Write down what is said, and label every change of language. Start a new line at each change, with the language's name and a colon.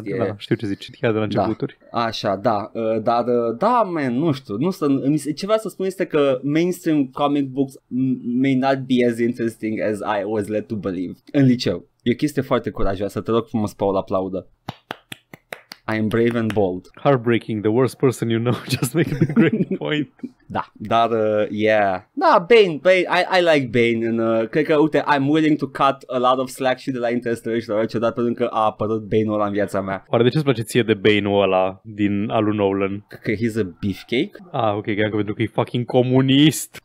Romanian: Da, știu ce zici, chiar de la începuturi. Da. Așa, da, dar, da, man, nu știu, nu știu, ce vreau să spun este că
English: mainstream comic books may not be as interesting as I was led to believe
Romanian: în liceu. E o chestie foarte curajoasă, te rog frumos, Paul, aplaudă.
English: I am brave and bold. Heartbreaking, the worst person you know, just making a great point.
Romanian: Da, dar,
English: yeah. Da, Bane, I like Bane.
Romanian: And, cred că, uite,
English: I'm willing to cut a lot of slack
Romanian: și de la interstări și de orice dată, pentru că a apărut Bane-ul ăla în viața mea. Oare de ce îți place ție de Bane-ul ăla din alu Nolan?
English: Că he's a beefcake.
Romanian: Ah, ok, chiar că pentru că e fucking comunist.